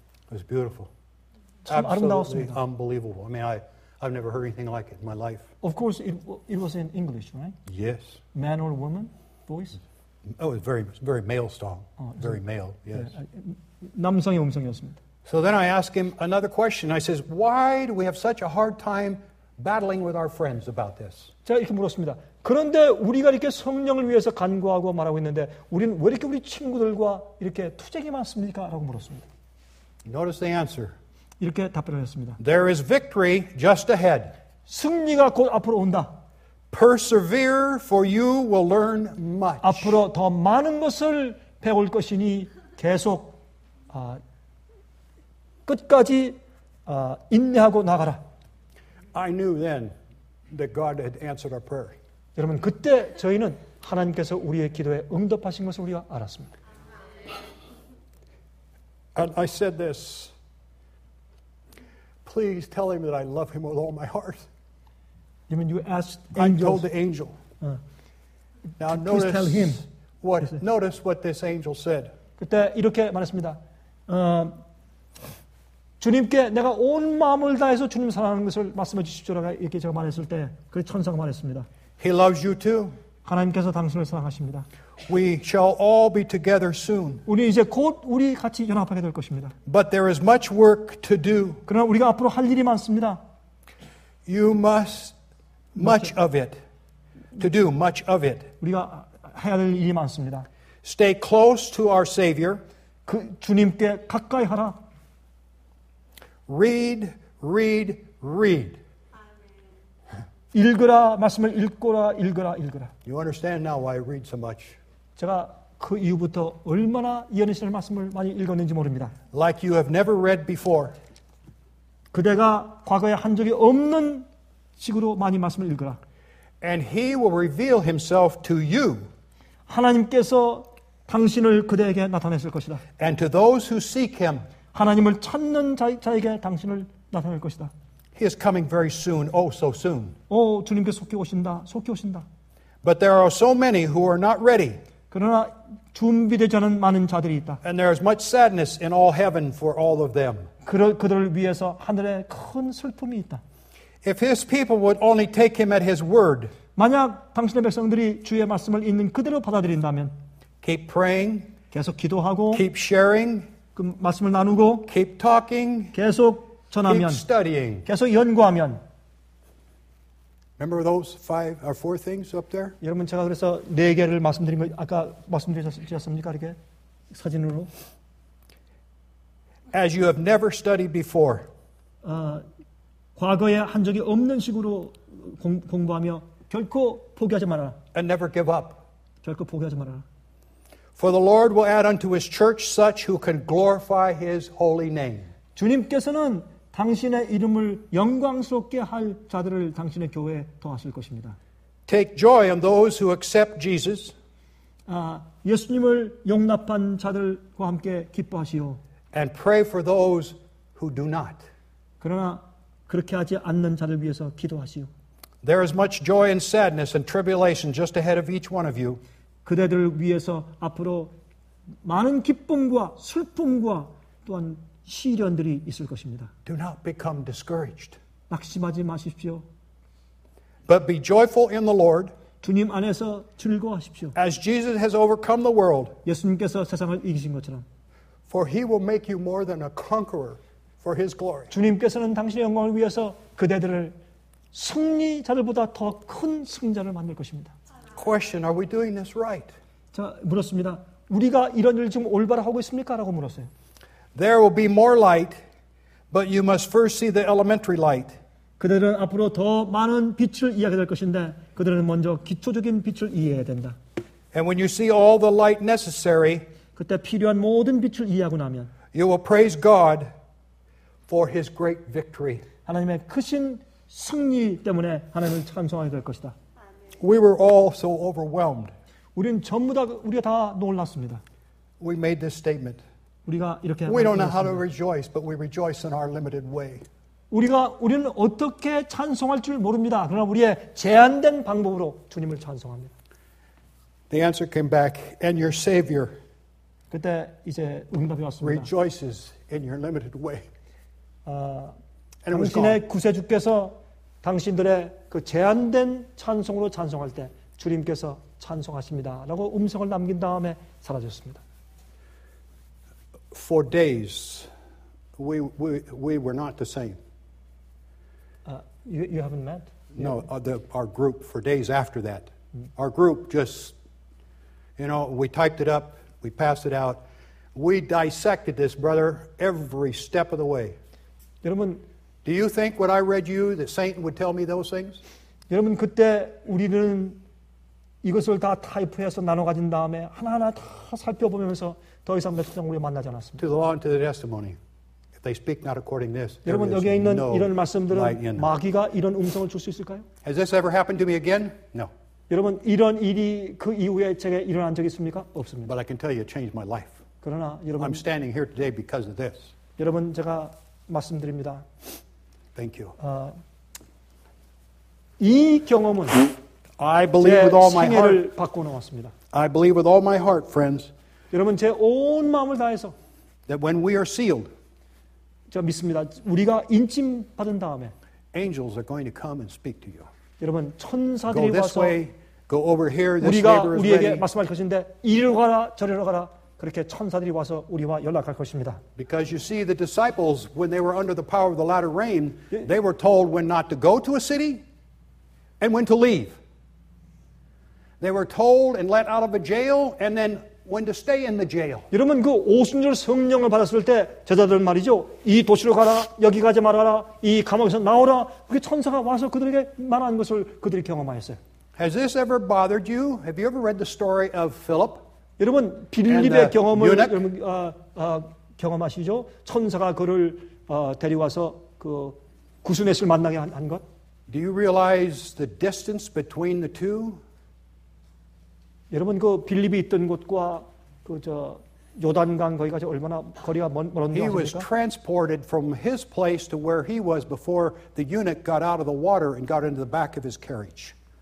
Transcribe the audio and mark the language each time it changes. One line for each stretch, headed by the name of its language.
English: It was beautiful.
Korean: 참 아름다웠습니다.
English: Absolutely unbelievable. I mean, I've never heard anything like it in my life. Of course, it was in English, right? Yes. Man or woman, voice? Oh, it was very, very male song. Very male. Yes.
Korean: 남성의 음성이었습니다.
English: So then I ask him another question. I says, why do we have such a hard time battling with our friends about this?
Korean: 제가 이렇게 물었습니다. 그런데 우리가 이렇게 성령을 위해서 간구하고 말하고 있는데 우리는 왜 이렇게 우리 친구들과 이렇게 투쟁이 많습니까? 라고 물었습니다.
English: Notice the answer.
Korean: 이렇게 답변을 했습니다.
English: There is victory just ahead.
Korean: 승리가 곧 앞으로 온다.
English: Persevere for you will learn much.
Korean: 앞으로 더 많은 것을 배울 것이니 계속 끝까지 인내하고 나가라.
English: I knew then that God had answered our prayer.
Korean: 여러분 그때 저희는 하나님께서 우리의 기도에 응답하신 것을 우리가 알았습니다.
English: And I said this. Please tell him that I love him with all my heart. You mean you asked angels? I told the angel. Now notice tell him. What notice what this angel said.
Korean: 그때 이렇게 말했습니다. 주님께 내가 온 마음을 다해서 주님 사랑하는 것을 말씀해 주십시오라고 이렇게 제가 말했을 때 그 천사가 말했습니다.
English: He loves you too.
Korean: 하나님께서 당신을 사랑하십니다.
English: We shall all be together soon.
Korean: 우리 이제 곧 우리 같이 연합하게 될 것입니다.
English: But there is much work to do.
Korean: 그러나 우리가 앞으로 할 일이 많습니다.
English: You must much of it to do much of it.
Korean: 우리가 해야 될 일이 많습니다.
English: Stay close to our Savior.
Korean: 그 주님께 가까이 하라.
English: Read, read, read.
Korean: 읽으라 말씀을 읽고라 읽으라 읽으라.
English: You understand now why I read so much.
Korean: 제가 그 이후부터 얼마나 이언의 신의 말씀을 많이 읽었는지 모릅니다.
English: Like you have never read before.
Korean: 그대가 과거에 한 적이 없는 식으로 많이 말씀을 읽으라.
English: And he will reveal himself to you.
Korean: 하나님께서 당신을 그대에게 나타내실 것이다.
English: And to those who seek him.
Korean: 하나님을 찾는 자에게 당신을 나타낼 것이다.
English: He is coming very soon. Oh, so soon.
Korean: 오, 주님께 속히 오신다. 속히 오신다.
English: But there are so many who are not ready.
Korean: 그러나 준비되지 않은 많은 자들이 있다.
English: And there is much sadness in all heaven for all of them.
Korean: 그들을 위해서 하늘에 큰 슬픔이 있다.
English: If his people would only take him at his word.
Korean: 만약 당신의 백성들이 주의 말씀을 있는 그대로 받아들인다면.
English: Keep praying.
Korean: 계속 기도하고.
English: Keep sharing.
Korean: 그 말씀을 나누고.
English: Keep talking.
Korean: 계속 전하면,
English: Keep studying.
Korean: 계속 연구하면.
English: Remember those five or four things up there?
Korean: 여러분 제가 그래서 네 개를 말씀드린 거 아까 말씀드렸습니까? 이렇게 사진으로.
English: As you have never studied before.
Korean: 과거에 한 적이 없는 식으로 공부하며 결코 포기하지 말아라.
English: And never give up.
Korean: 결코 포기하지 말아라.
English: For the Lord will add unto his church such who can glorify his holy name.
Korean: 주님께서는 당신의 이름을 영광스럽게 할 자들을 당신의 교회에 더하실 것입니다.
English: Take joy in those who accept Jesus.
Korean: 예수님을 용납한 자들과 함께 기뻐하시오.
English: And pray for those who do not.
Korean: 그러나 그렇게 하지 않는 자들 위해서 기도하시오.
English: There is much joy and sadness and tribulation just ahead of each one of you.
Korean: 그대들 위해서 앞으로 많은 기쁨과 슬픔과 또한 시련들이 있을 것입니다.
English: Do not become discouraged.
Korean: 낙심하지 마십시오.
English: But be joyful in the Lord.
Korean: 주님 안에서 즐거워하십시오.
English: As Jesus has overcome the world.
Korean: 예수님께서 세상을 이기신 것처럼.
English: For he will make you more than a conqueror for his glory.
Korean: 주님께서는 당신의 영광을 위해서 그대들을 승리자들보다 더 큰 승자를 만들 것입니다.
English: Question, are we doing this right?
Korean: 자, 물었습니다. 우리가 이런 일을 지금 올바로 하고 있습니까? 라고 물었어요.
English: There will be more light, but you must first see the elementary light.
Korean: 그들은 앞으로 더 많은 빛을 이해하게 될 것인데, 그들은 먼저 기초적인 빛을 이해해야 된다.
English: And when you see all the light necessary,
Korean: 그때 필요한 모든 빛을 이해하고 나면,
English: you will praise God for His great victory.
Korean: 하나님의 크신 승리 때문에 하나님을 찬송하게 될 것이다.
English: We were all so overwhelmed.
Korean: 우리는 전부 다 우리가 다 놀랐습니다.
English: We made this statement.
Korean: 우리가 이렇게
English: We don't know how to rejoice, but we rejoice in our limited way.
Korean: 우리는 어떻게 찬송할 줄 모릅니다. 그러나 우리의 제한된 방법으로 주님을 찬송합니다.
English: The answer came back, and your Savior
Korean: 그때 이제 응답이 왔습니다.
English: Rejoices in your limited way.
Korean: 당신의 구세주께서 당신들의 그 제한된 찬송으로 찬송할 때 주님께서 찬송하십니다. 라고 음성을 남긴 다음에 사라졌습니다.
English: For days, we were not the same. You haven't met? No, our group for days after that. Our group just, you know, we typed it up, we passed it out. We dissected this, brother, every step of the way.
Korean: 여러분,
English: Do you think what I read you, that Satan would tell me those things?
Korean: 여러분, 그때 우리는 이것을 다 타이프해서 나눠 가진 다음에 하나하나 다 살펴보면서 더 이상 몇 장 우리 만나지 않았습니다.
English: To the law and to the testimony. If they speak not according to this,
Korean: 여러분 여기 있는 이런 말씀들은 마귀가 이런 음성을 줄 수 있을까요?
English: Has this ever happened to me again? No.
Korean: 여러분 이런 일이 그 이후에 제게 일어난 적 있습니까? 없습니다.
English: But I can tell you it changed my life.
Korean: 그러나 여러분
English: I'm standing here today because of this.
Korean: 여러분 제가 말씀드립니다.
English: Thank you.
Korean: 이 경험은
English: I believe with all my heart.
Korean: 생애를 바꿔놓았습니다.
English: I believe with all my heart, friends.
Korean: 여러분 제 온 마음을 다해서
English: that when we are sealed
Korean: 제가 믿습니다. 우리가 인침 받은 다음에
English: angels are going to come and speak to you.
Korean: 여러분 천사들이
English: go this
Korean: 와서
English: way, go over here, this
Korean: 우리가 우리에게
English: ready.
Korean: 말씀할 것인데 이리로 가라 저리로 가라 그렇게 천사들이 와서 우리와 연락할 것입니다.
English: Because you see the disciples when they were under the power of the latter rain, they were told when not to go to a city and when to leave. They were told and let out of a jail and then when to stay in the jail.
Korean: 여러분 그 오순절 성령을 받았을 때 제자들 말이죠. 이 도시로 가라. 여기 가지 말아라. 이 감옥에서 나오라. 그게 천사가 와서 그들에게 말한 것을 그들이 경험하였어요.
English: Has this ever bothered you? Have you ever read the story of Philip?
Korean: 여러분 빌립의 경험을 여러분 경험하시죠? 천사가 그를 데려와서 그 구스넷을 만나게 한 것.
English: Do you realize the distance between the two?
Korean: 여러분 그 빌립이 있던 곳과 그 저 요단강 거기까지 얼마나 거리가 멀었는지 아십니까?
English: He was transported from his place to where he was before the eunuch got out of the water and got into the back of his carriage.